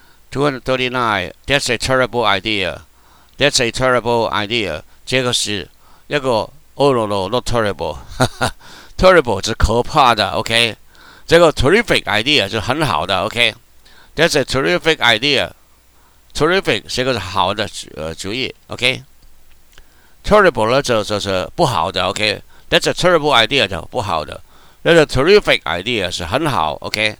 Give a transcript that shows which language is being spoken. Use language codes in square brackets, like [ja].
[en] 239. That's a terrible idea. That's a terrible idea. [zh] 这个是一个 [en] Oh no no, not terrible. Terrible [zh] 是可怕的 [en] OK. [zh] 这个 terrific idea 是很好的 OK. [en] That's a terrific idea. [zh] Terrific 是一个好的主意 OK. Terrible 就是不好的 OK. [en] That's a terrible idea [zh] 就不好的。那个 [en] terrific idea [zh] 是很好 [en] OK.